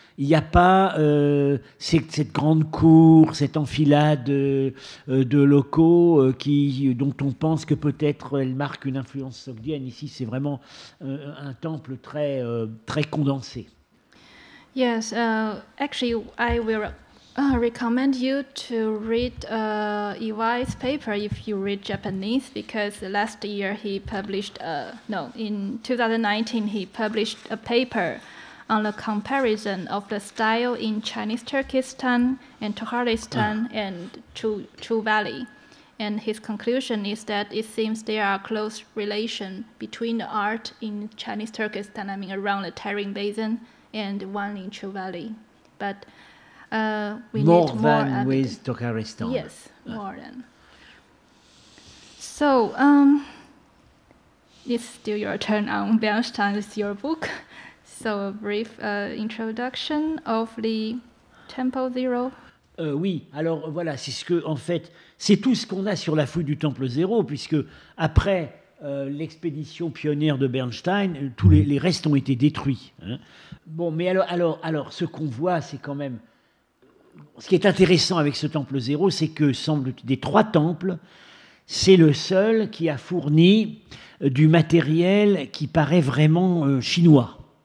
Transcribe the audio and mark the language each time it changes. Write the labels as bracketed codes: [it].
[fr] Il n'y a pas cette grande cour, cette enfilade de locaux dont on pense que peut-être elle marque une influence sogdienne. Ici, c'est vraiment un temple très, très condensé. [en] Yes, actually, I will. I recommend you to read Iwai's paper if you read Japanese, because last year he published, in 2019, he published a paper on the comparison of the style in Chinese Turkestan and Tokharistan and Chu Valley. And his conclusion is that it seems there are close relation between the art in Chinese Turkestan, I mean around the Tarim Basin, and one in Chu Valley. But with Tokharistan. Yes, more than. So, it's still your turn on Bernstein, it's your book. So, a brief introduction of the Temple Zero. [fr] Oui, alors voilà, c'est tout ce qu'on a sur la fouille du Temple Zero, puisque après l'expédition pionnière de Bernstein, tous les restes ont été détruits. Bon, mais alors, ce qu'on voit, c'est quand même. Ce qui est intéressant avec ce temple zéro, c'est que, semble-t-il, des trois temples, c'est le seul qui a fourni du matériel qui paraît vraiment chinois.